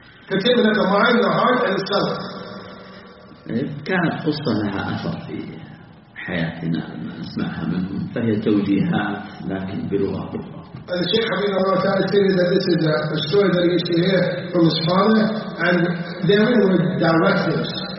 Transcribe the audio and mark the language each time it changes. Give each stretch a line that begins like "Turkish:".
English: Containment of the mind, the heart, and the self.
Arabic: كانت قصة لها أثر في حياتنا نسمعها منهم فهي توجيهات لكن بلغة أخرى.
English: And the Sheikh Habib Allah Ta'ala tell you that this is a story that you used to hear from his father, and they were directives.